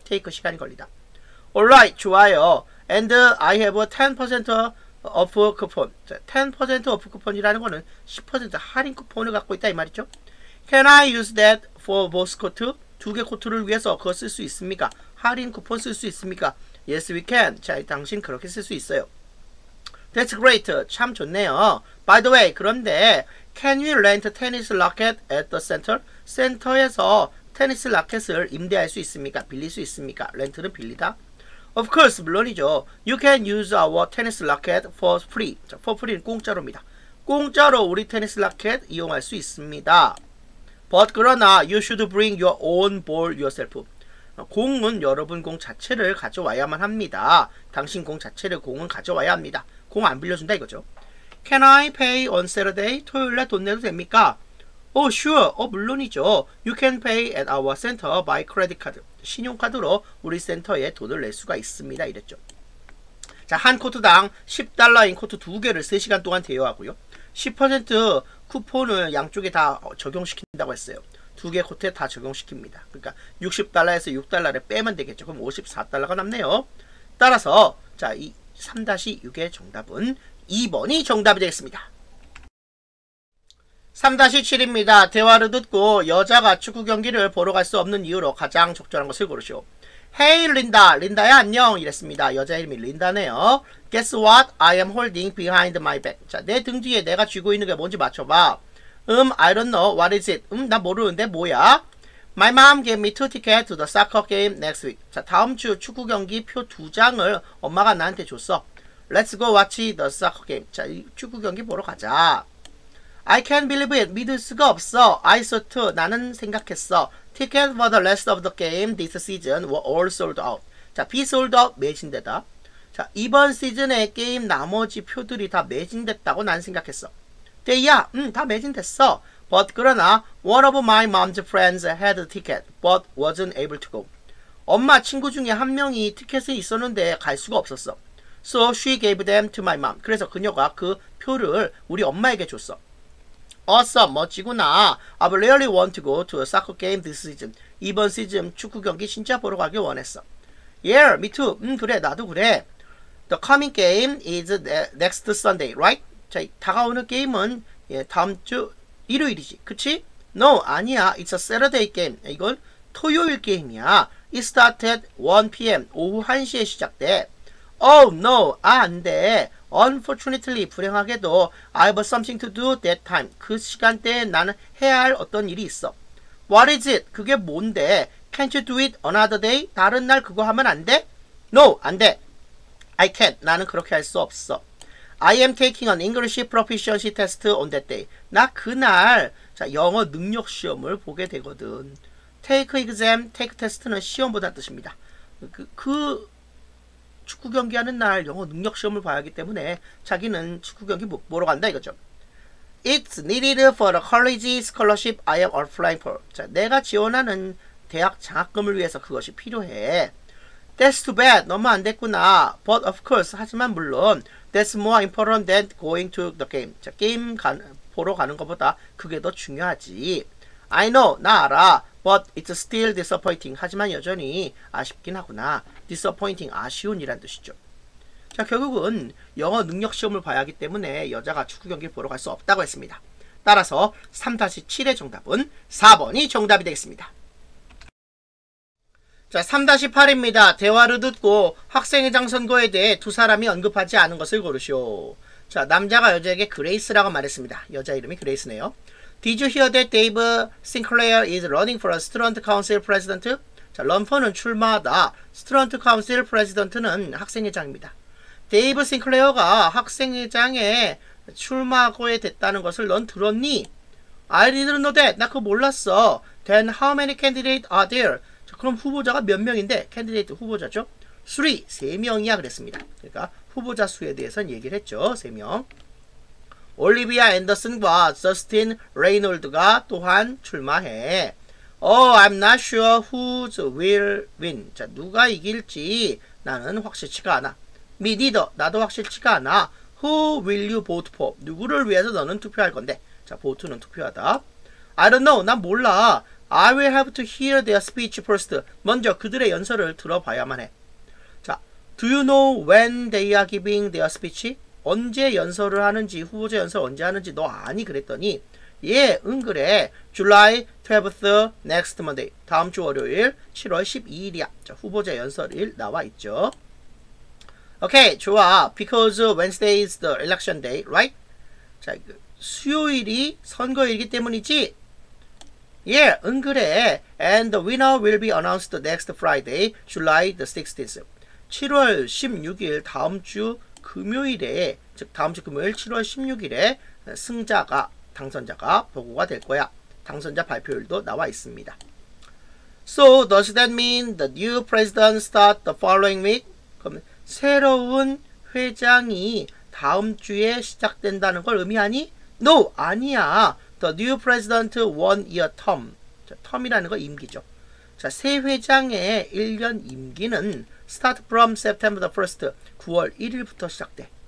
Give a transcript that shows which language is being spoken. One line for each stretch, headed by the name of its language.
English: Take
Korean: 시간이 걸리다.
English: Alright,
Korean: 좋아요.
English: And I have a 10% off 쿠폰.
Korean: 10% off 쿠폰이라는 거는 10% 할인 쿠폰을 갖고 있다 이 말이죠.
English: Can I use that for both court?
Korean: 두 개 코트를 위해서 그거 쓸 수 있습니까? 할인 쿠폰 쓸 수 있습니까?
English: Yes, we can.
Korean: 자, 당신 그렇게 쓸 수 있어요.
English: That's great.
Korean: 참 좋네요.
English: By the way, 그런데 Can we rent a tennis racket at the center?
Korean: 센터에서 테니스 라켓을 임대할 수 있습니까? 빌릴 수 있습니까? 렌트는 빌리다.
English: Of course,
Korean: 물론이죠.
English: You can use our tennis racket for free.
Korean: 자, for free는 공짜로입니다. 공짜로 우리 테니스 라켓 이용할 수 있습니다.
English: But 그러나, you should bring your own ball yourself.
Korean: 공은 여러분 공 자체를 가져와야만 합니다. 당신 공 자체를 공은 가져와야 합니다. 공 안 빌려준다 이거죠.
English: Can I pay on Saturday?
Korean: 토요일날 돈 내도 됩니까?
English: Oh, sure.
Korean: 물론이죠.
English: You can pay at our center by credit card.
Korean: 신용카드로 우리 센터에 돈을 낼 수가 있습니다. 이랬죠. 자, 한 코트당 $10인 코트 두 개를 3시간 동안 대여하고요. 10% 쿠폰을 양쪽에 다 적용시킨다고 했어요. 두 개 코트에 다 적용시킵니다. 그러니까 $60에서 $6를 빼면 되겠죠. 그럼 $54가 남네요. 따라서 자, 이 3-6의 정답은 2번이 정답이 되겠습니다. 3-7입니다. 대화를 듣고 여자가 축구 경기를 보러 갈 수 없는 이유로 가장 적절한 것을 고르시오.
English: Hey, Linda.
Korean: 린다야, 안녕. 이랬습니다. 여자 이름이 린다네요.
English: Guess what? I am holding behind my back.
Korean: 자, 내 등 뒤에 내가 쥐고 있는 게 뭔지 맞춰봐.
English: I don't know. What is it?
Korean: 나 모르는데 뭐야?
English: My mom gave me two tickets to the soccer game next week.
Korean: 자, 다음 주 축구 경기 표 두 장을 엄마가 나한테 줬어.
English: Let's go watch the soccer game.
Korean: 자, 이 축구 경기 보러 가자.
English: I can't believe it.
Korean: 믿을 수가 없어.
English: I thought,
Korean: 나는 생각했어.
English: Tickets for the rest of the game this season were all sold out.
Korean: 자, be sold out, 매진되다. 자, 이번 시즌의 게임 나머지 표들이 다 매진됐다고 난 생각했어. 데이야, 다 매진됐어.
English: But 그러나, one of my mom's friends had a ticket, but wasn't able to go.
Korean: 엄마 친구 중에 한 명이 티켓은 있었는데 갈 수가 없었어.
English: So she gave them to my mom.
Korean: 그래서 그녀가 그 표를 우리 엄마에게 줬어.
English: Awesome, 멋지구나. I really want to go to a soccer game this season.
Korean: 이번 시즌 축구 경기 진짜 보러 가길 원했어.
English: Yeah, me too.
Korean: 그래, 나도 그래.
English: The coming game is next Sunday, right?
Korean: 자, 다가오는 게임은 다음 주 일요일이지, 그치?
English: No, 아니야. It's a Saturday game.
Korean: 이건 토요일 게임이야.
English: It started 1 PM,
Korean: 오후 1시에 시작돼.
English: Oh, no.
Korean: 아, 안 돼.
English: Unfortunately, 불행하게도 I have something to do that time.
Korean: 그 시간대에 나는 해야 할 어떤 일이 있어.
English: What is it?
Korean: 그게 뭔데?
English: Can't you do it another day?
Korean: 다른 날 그거 하면 안 돼? No, 안 돼.
English: I can't.
Korean: 나는 그렇게 할 수 없어.
English: I am taking an English proficiency test on that day.
Korean: 나 그날 자, 영어 능력 시험을 보게 되거든. Take exam, take test는 시험보다 뜻입니다. 그 축구 경기하는 날 영어 능력 시험을 봐야 하기 때문에 자기는 축구 경기 보러 간다 이거죠.
English: It's needed for a college scholarship I am applying for.
Korean: 자, 내가 지원하는 대학 장학금을 위해서 그것이 필요해.
English: That's too bad.
Korean: 너무 안 됐구나.
English: But of course,
Korean: 하지만 물론,
English: that's more important than going to the game.
Korean: 자, 게임 보러 가는 것보다 그게 더 중요하지.
English: I know,
Korean: 나 알아.
English: But it's still disappointing.
Korean: 하지만 여전히 아쉽긴 하구나. Disappointing, 아쉬운이란 뜻이죠. 자, 결국은 영어 능력 시험을 봐야 하기 때문에 여자가 축구 경기를 보러 갈 수 없다고 했습니다. 따라서 3-7의 정답은 4번이 정답이 되겠습니다. 자, 3-8입니다. 대화를 듣고 학생회장 선거에 대해 두 사람이 언급하지 않은 것을 고르시오. 자, 남자가 여자에게 그레이스라고 말했습니다. 여자 이름이 그레이스네요.
English: Did you hear that Dave Sinclair is running for a student council president?
Korean: 자, 런퍼는 출마하다. Student council president는 학생회장입니다. Dave Sinclair가 학생회장에 출마하게 됐다는 것을 넌 들었니?
English: I didn't know that.
Korean: 나 그거 몰랐어.
English: Then how many candidates are there?
Korean: 그럼 후보자가 몇 명인데? 캔디데이트 후보자죠? 3, 3명이야 그랬습니다. 그러니까 후보자 수에 대해서는 얘기를 했죠. 3명. 올리비아 앤더슨과 저스틴 레이놀드가 또한 출마해.
English: Oh, I'm not sure who will win.
Korean: 자, 누가 이길지 나는 확실치가 않아.
English: Me neither.
Korean: 나도 확실치가 않아.
English: Who will you vote for?
Korean: 누구를 위해서 너는 투표할 건데? 자, vote는 투표하다.
English: I don't know.
Korean: 난 몰라.
English: I will have to hear their speech first.
Korean: 먼저 그들의 연설을 들어봐야만 해.
English: 자, Do you know when they are giving their speech?
Korean: 언제 연설을 하는지, 후보자 연설 언제 하는지 너 아니? 그랬더니 예, 응, 그래.
English: July 12th next Monday.
Korean: 다음 주 월요일 7월 12일이야. 자, 후보자 연설일 나와 있죠.
English: Okay, 좋아. Because Wednesday is the election day, right?
Korean: 자, 수요일이 선거일이기 때문이지? Yeah, 응, 그래.
English: And the winner will be announced next Friday, July the 16th.
Korean: 7월 16일 다음 주 금요일에, 즉 다음 주 금요일 7월 16일에 승자가, 당선자가 보고가 될 거야. 당선자 발표일도 나와 있습니다.
English: So, does that mean the new president start the following week?
Korean: 그럼 새로운 회장이 다음 주에 시작된다는 걸 의미하니?
English: No, 아니야. The new president one-year term.
Korean: 자, term이라는 거 임기죠. 자, 새 회장의 1년 임기는
English: start from September the 1st,
Korean: 9월 1일부터 시작돼.